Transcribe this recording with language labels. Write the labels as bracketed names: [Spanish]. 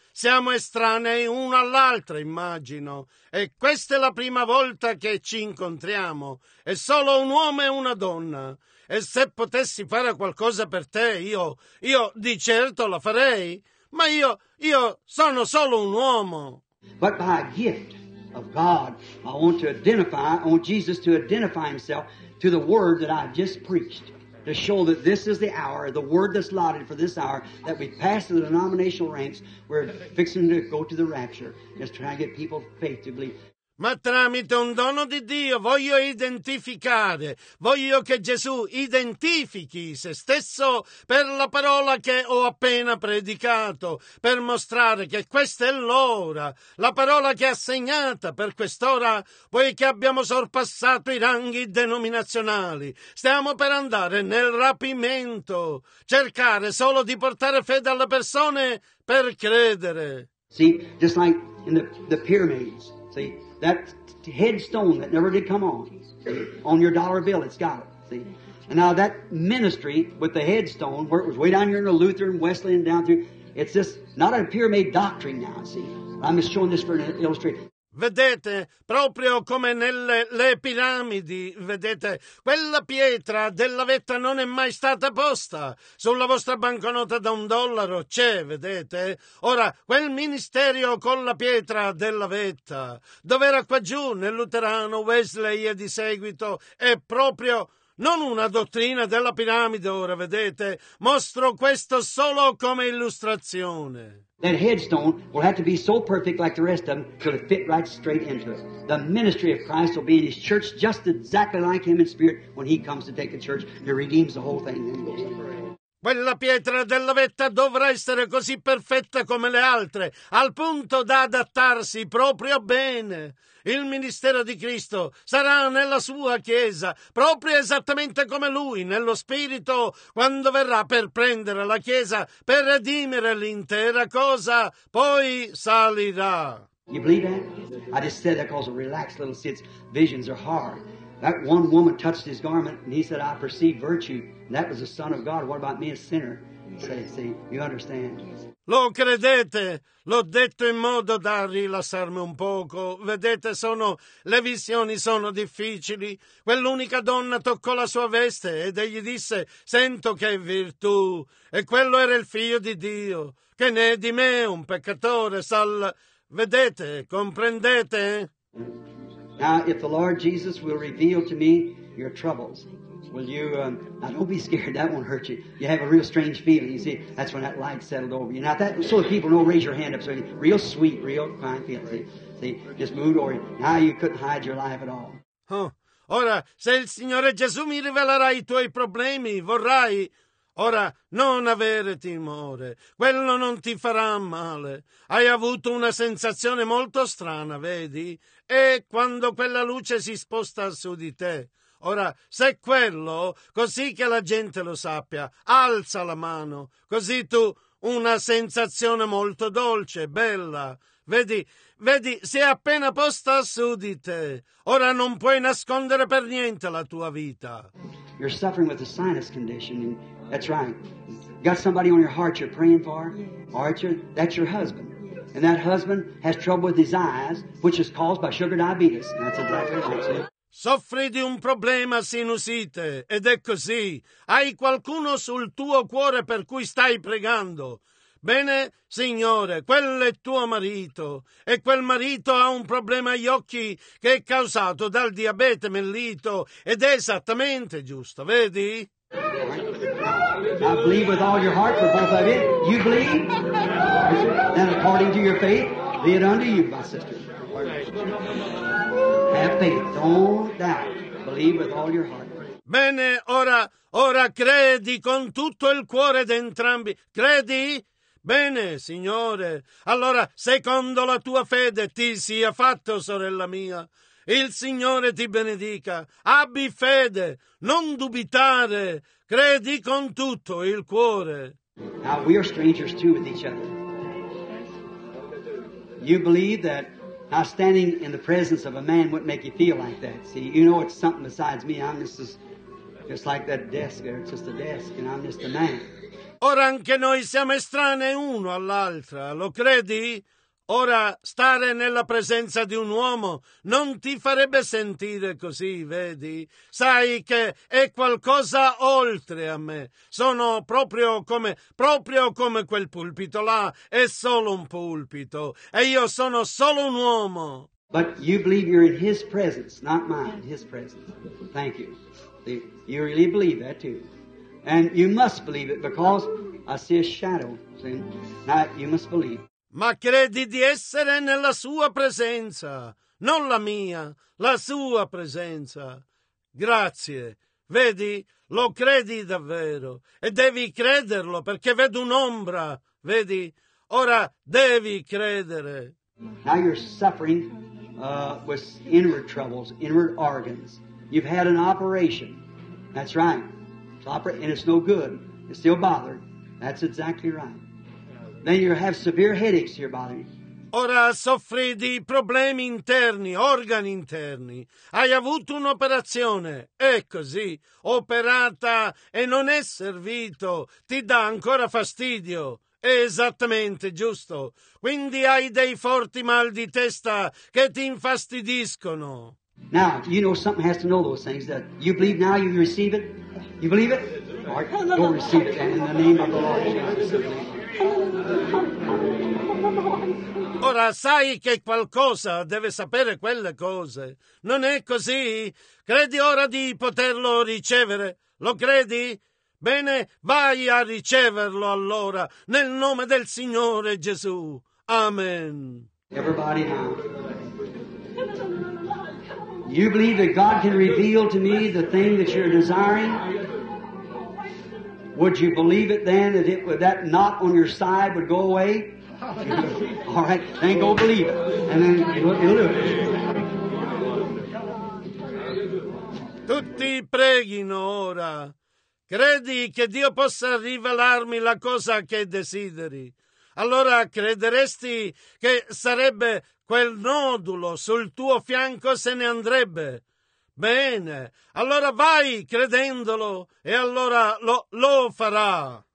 [Italian] Siamo estranei una all'altra, immagino. E questa è la prima volta che ci incontriamo. È solo un uomo e una donna. E se potessi fare qualcosa per te, io di certo la farei, ma io sono solo un uomo. [English] But by a gift of God, I want Jesus to identify himself to the word that I just preached. to show that this is the hour, the word that's lauded for this hour, that we pass the denominational ranks. We're fixing to go to the rapture. Just trying to get people faith to believe. [Italian] Ma tramite un dono di Dio voglio identificare, voglio che Gesù identifichi se stesso per la parola che ho appena predicato, per mostrare che questa è l'ora, la parola che è assegnata per quest'ora, poiché abbiamo sorpassato i ranghi denominazionali. Stiamo per andare nel rapimento, cercare solo di portare fede alle persone per credere. [English] Sì, just like in the pyramids, see? That headstone that never did come on your dollar bill, it's got it, see? And now that ministry with the headstone, where it was way down here in the Lutheran, Wesleyan, down through, it's just not a pyramid doctrine now, see? I'm just showing this for an illustration. [Italian] Vedete, proprio come nelle le piramidi, vedete, quella pietra della vetta non è mai stata posta sulla vostra banconota da un dollaro, c'è, vedete? Ora, quel ministero con la pietra della vetta, dov'era qua giù nel Luterano, Wesley e di seguito, è proprio non una dottrina della piramide ora, vedete? Mostro questo solo come illustrazione. [English] That headstone will have to be so perfect like the rest of them till it fit right straight into it. The ministry of Christ will be in his church just exactly like him in spirit when he comes to take the church and redeems the whole thing. [Italian] Quella pietra della vetta dovrà essere così perfetta come le altre, al punto da adattarsi proprio bene. Il ministero di Cristo sarà nella sua chiesa, proprio esattamente come lui, nello spirito, quando verrà per prendere la chiesa, per redimere l'intera cosa, poi salirà. [English] You believe that? I just said that cause a relaxed little sit's visions are hard. That one woman touched his garment and he said, I perceive virtue. That was the Son of God. What about me, a sinner? See, you understand? [Italian] Lo credete? L'ho detto in modo da rilassarmi un poco. Vedete, le visioni sono difficili. Quell'unica donna toccò la sua veste ed egli disse, sento che è virtù. E quello era il figlio di Dio, che ne è di me un peccatore. Vedete, comprendete? [English] Now, if the Lord Jesus will reveal to me your troubles, will you, now don't be scared, that won't hurt you. You have a real strange feeling, you see, that's when that light settled over you. Now, that, so the people know, raise your hand up, so you, real sweet, real fine feeling, see, just moved over you. Now you couldn't hide your life at all. [Italian] Oh, ora, se il Signore Gesù mi rivelerà i tuoi problemi, vorrai... Ora, non avere timore, quello non ti farà male. Hai avuto una sensazione molto strana, vedi? E quando quella luce si sposta su di te. Ora, se quello, così che la gente lo sappia, alza la mano, così tu, una sensazione molto dolce, bella. Vedi, si è appena posta su di te. Ora non puoi nascondere per niente la tua vita. [English] You're suffering with a sinus condition. That's right. Got somebody on your heart you're praying for? Archer, that's your husband. And that husband has trouble with his eyes, which is caused by sugar diabetes. And that's exactly what I'm saying. [Italian] Soffri di un problema sinusite, ed è così. Hai qualcuno sul tuo cuore per cui stai pregando. Bene, Signore, quello è tuo marito. E quel marito ha un problema agli occhi che è causato dal diabete mellito. Ed è esattamente giusto, vedi? [English] I believe with all your heart for both of you. You believe? Then according to your faith, be it unto you, my sister. Have faith. Don't doubt. Believe with all your heart. [Italian] Bene, ora credi con tutto il cuore di entrambi. Credi? Bene, Signore. Allora, secondo la tua fede ti sia fatto, sorella mia. Il Signore ti benedica. Abbi fede. Non dubitare. Credi con tutto il cuore. [English] Now we are strangers too with each other. You believe that now standing in the presence of a man wouldn't make you feel like that. See, you know it's something besides me. I'm just like that desk there. It's just a desk and I'm just a man. [Italian] Ora anche noi siamo estranei uno all'altra. Lo credi? Ora, stare nella presenza di un uomo non ti farebbe sentire così, vedi? Sai che è qualcosa oltre a me. Sono proprio come quel pulpito là. È solo un pulpito. E io sono solo un uomo. [English] But you believe you're in his presence, not mine, his presence. Thank you. You really believe that too. And you must believe it because I see a shadow. See? Now you must believe. [Italian] Ma credi di essere nella sua presenza, non la mia, la sua presenza. Grazie. Vedi, lo credi davvero e devi crederlo perché vedo un'ombra, vedi? Ora devi credere. [English] Now you're suffering with inward troubles, inward organs. You've had an operation. That's right. And it's no good. It's still bothering. That's exactly right. Then you have severe headaches here bothering you. [Italian] Ora soffri di problemi interni, organi interni. Hai avuto un'operazione, è così, operata e non è servito, ti dà ancora fastidio. È esattamente giusto. Quindi hai dei forti mal di testa che ti infastidiscono. [English] Now, you know something has to know those things that you believe now you receive it. You believe it? Mark, go receive it in the name of the Lord Jesus. [Italian] Ora sai che qualcosa deve sapere quelle cose. Non è così? Credi ora di poterlo ricevere? Lo credi? Bene, vai a riceverlo allora, nel nome del Signore Gesù. [English] Amen. Everybody now. You believe that God can reveal to me the thing that you're desiring? Would you believe it then that it, that knot on your side would go away? All right, then go believe it, and then you'll do it. [Italian] Tutti preghino ora. Credi che Dio possa rivelarmi la cosa che desideri. Allora crederesti che sarebbe quel nodulo sul tuo fianco se ne andrebbe? Bene, allora vai credendolo e allora lo farà.